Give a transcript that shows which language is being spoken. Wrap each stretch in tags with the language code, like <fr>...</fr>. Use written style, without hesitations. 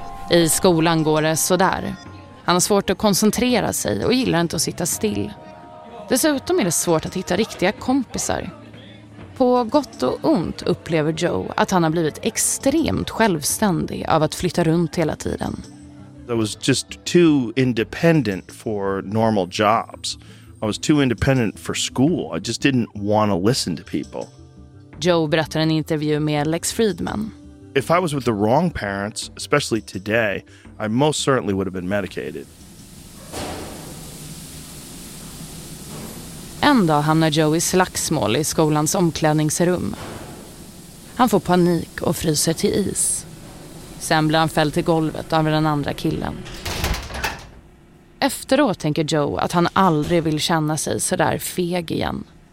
<sv>I skolan går det så där. Han har svårt att koncentrera sig och gillar inte att sitta still. Dessutom är det svårt att hitta riktiga kompisar. På gott och ont upplever Joe att han har blivit extremt självständig av att flytta runt hela tiden.</sv> <en>I was just too independent for normal jobs. I was too independent for school. I just didn't want to listen to people.</en> <sv>Joe berättar en intervju med Lex Friedman.</sv> <en>If I was with the wrong parents, especially today, I most certainly would have been medicated.</en> <sv>En dag hamnar Joe i slagsmål i skolans omklädningsrum. Han får panik och fryser till is. Sen blir han fälld till golvet av den andra killen. Efteråt tänker Joe att han aldrig vill känna sig så där feg igen.</sv>